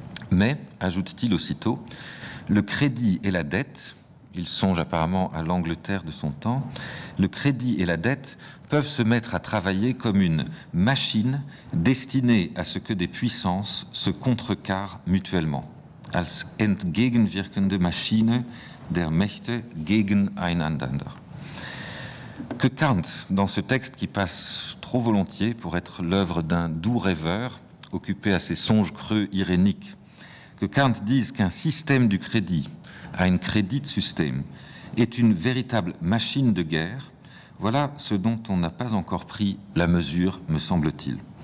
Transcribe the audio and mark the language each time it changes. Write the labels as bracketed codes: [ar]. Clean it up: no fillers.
[fr] Mais, ajoute-t-il aussitôt, le crédit et la dette, il songe apparemment à l'Angleterre de son temps, le crédit et la dette peuvent se mettre à travailler comme une machine destinée à ce que des puissances se contrecarrent mutuellement. [de] Als entgegenwirkende Maschine der Mächte gegeneinander. [fr] Que Kant, dans ce texte qui passe trop volontiers pour être l'œuvre d'un doux rêveur, occupé à ses songes creux iréniques, que Kant dise qu'un système du crédit, [de] ein Kreditsystem, [fr] est une véritable machine de guerre, voilà ce dont on n'a pas encore pris la mesure, me semble-t-il.